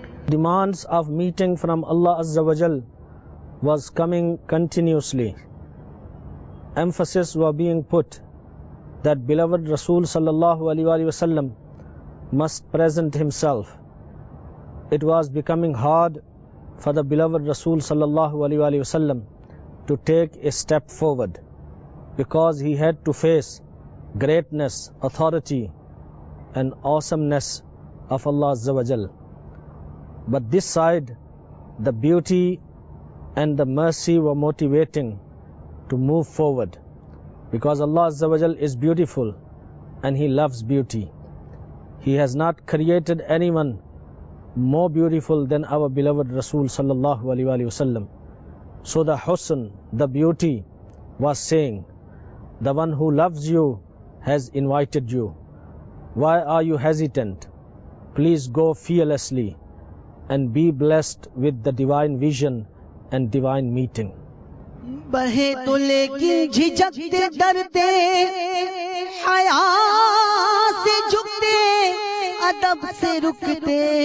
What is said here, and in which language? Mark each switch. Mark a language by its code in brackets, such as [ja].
[en] Demands of meeting from Allah عز و جل was coming continuously, emphasis was being put that beloved رسول صلی اللہ علیہ وسلم must present himself. It was becoming hard for the beloved Rasul sallallahu alaihi wasallam to take a step forward because he had to face greatness, authority and awesomeness of Allah azza wa jal. But this side, the beauty and the mercy were motivating to move forward because Allah azza wa jal is beautiful and he loves beauty. He has not created anyone more beautiful than our beloved Rasul sallallahu alaihi wasallam. So the husn, the beauty was saying, the one who loves you has invited you. Why are you hesitant? Please go fearlessly and be blessed with the divine vision and divine meeting. [ur] بڑھے تو لیکن جھجکتے ڈرتے، حیا سے جھکتے ادب سے رکتے،